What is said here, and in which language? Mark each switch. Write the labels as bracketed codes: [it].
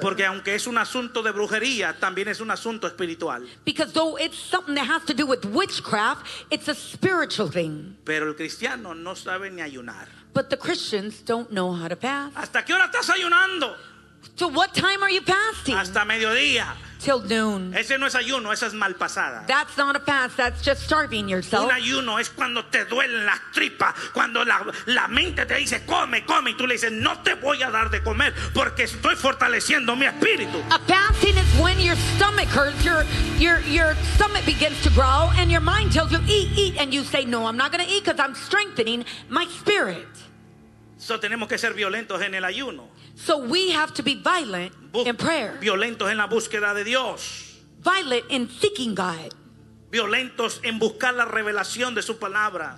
[es] Porque aunque es un asunto de brujería, también es un asunto espiritual. [en] Because though it's something that has to do with witchcraft, it's a spiritual thing. [es] Pero el cristiano no sabe ni ayunar. [en] But the Christians don't know how to fast. [es] ¿Hasta qué hora estás ayunando? [en] To what time are you fasting? [es] Hasta mediodía. [en] Till noon. [es] Ese no es ayuno, esa es malpasada. [en] That's not a fast, that's just starving yourself. [es] Un ayuno es cuando te duelen las tripas, cuando la mente te dice come, come, y tú le dices no te voy a dar de comer porque estoy fortaleciendo mi espíritu. [en] A fasting is when your stomach hurts, your stomach begins to growl, and your mind tells you eat, eat, and you say no, I'm not going to eat because I'm strengthening my spirit. [es] So tenemos que ser violentos en el ayuno. [en] So we have to be violent in prayer. [es] Violentos en la búsqueda de Dios. [en] Violent in seeking God. [es] Violentos en buscar la revelación de su palabra.